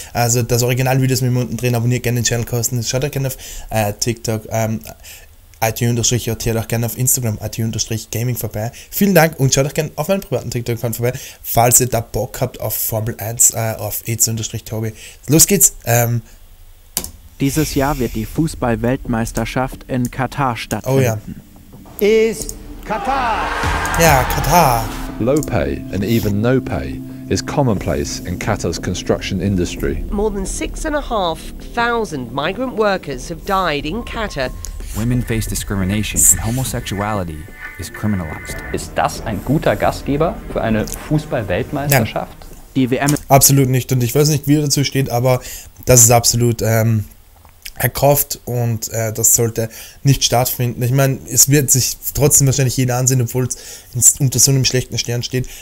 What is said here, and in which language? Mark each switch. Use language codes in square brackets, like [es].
[de] Also das Originalvideo ist mit mir unten drin, abonniert gerne den Channel kostenlos, schaut euch gerne auf TikTok, IT-JT auch gerne auf Instagram, IT-Gaming vorbei. Vielen Dank und schaut auch gerne auf meinen privaten TikTok-Account vorbei, falls ihr da Bock habt auf Formel 1, auf EZ-Tobi. Los geht's! Dieses Jahr wird die Fußball-Weltmeisterschaft in Katar stattfinden. Oh ja. [en] Is Katar! [de] Ja, Katar! [en] Low pay and even no pay is commonplace in Qatar's construction industry. More than 6,500 migrant workers have died in Qatar. Women face discrimination and homosexuality is criminalized. [de] Ist das ein guter Gastgeber für eine Fußball-Weltmeisterschaft? Ja. Die WM. Absolut nicht. Und ich weiß nicht, wie er dazu steht, aber das ist absolut erkauft und das sollte nicht stattfinden. Ich meine, es wird sich trotzdem wahrscheinlich jeder ansehen, obwohl es unter so einem schlechten Stern steht.